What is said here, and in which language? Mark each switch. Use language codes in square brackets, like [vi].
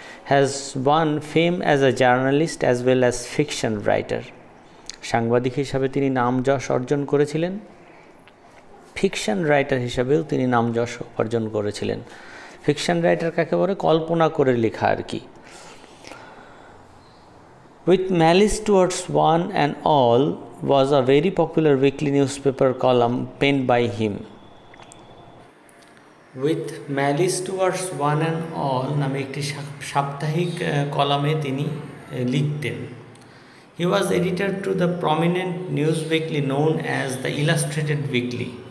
[en] has won fame as a journalist as well as fiction writer, [bn] সাংবাদিক হিসাবে তিনি নাম যশ অর্জন করেছিলেন, ফিকশন রাইটার হিসাবেও তিনি নাম যশ অর্জন করেছিলেন। ফিকশন রাইটার কাকে বলে, কল্পনা করে লেখা আর কি। [en] With malice towards one and all was a very popular weekly newspaper column penned by him. [bn] With malice towards one and all নামে একটি সাপ্তাহিক কলামে তিনি লিখতেন। [en] He was editor to the prominent news weekly known as the Illustrated Weekly.